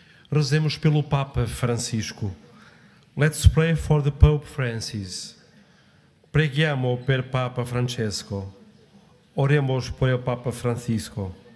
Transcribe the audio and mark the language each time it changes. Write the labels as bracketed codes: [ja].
[pt] Rezemos pelo Papa Francisco. [en] Let's pray for the Pope Francis. [it] Preghiamo per Papa Francesco. [es] Oremos por el Papa Francisco.